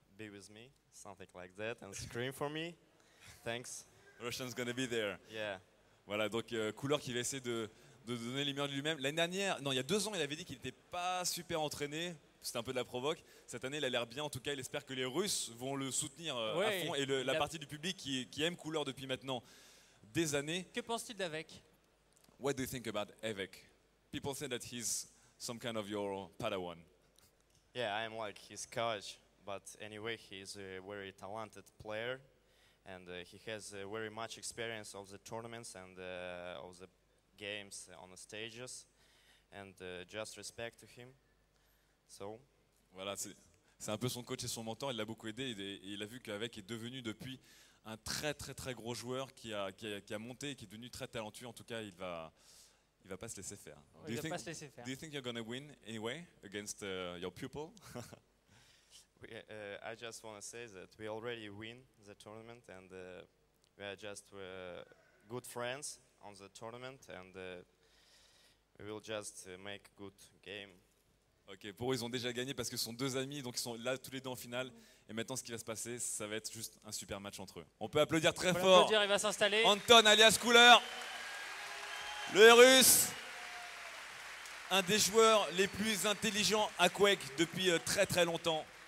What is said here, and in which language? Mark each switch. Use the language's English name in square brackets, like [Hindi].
[English] Be with me, something like that, and scream for me. Thanks. Russian's gonna be there. Yeah. [French] Voilà, donc Couleur qui va essayer de donner les murs de lui-même. L'année dernière, non, il y a 2 ans, il avait dit qu'il n'était pas super entraîné. C'était un peu de la provoque. Cette année, il a l'air bien. En tout cas, il espère que les Russes vont le soutenir à fond. Et la partie du public qui aime Couleur depuis maintenant des années. Que pense-t-il d'Avec? [English] What do you think about Avec? People say that he's some kind of your padawan. Yeah, I am like his coach. But anyway, he is a very talented player, and he has very much experience of the tournaments and of the games on the stages, and just respect to him. So. [French] Voilà, c'est un peu son coach et son mentor. Il l'a beaucoup aidé. Il a vu qu'Avec est devenu depuis un très très très gros joueur qui a monté et qui est devenu très talentueux. En tout cas, il va pas se laisser faire. [English] Do you think you're gonna win anyway against your pupil? I just want to say that we already win the tournament and we are just good friends on the tournament and we will just make good game. [French] Ok, pour eux ils ont déjà gagné parce que ce sont deux amis, donc ils sont là tous les deux en finale. Et maintenant ce qui va se passer, ça va être juste un super match entre eux. On peut applaudir très fort. On peut applaudir, il va s'installer. Anton alias Couleur, le russe. Un des joueurs les plus intelligents à Quake depuis très très longtemps.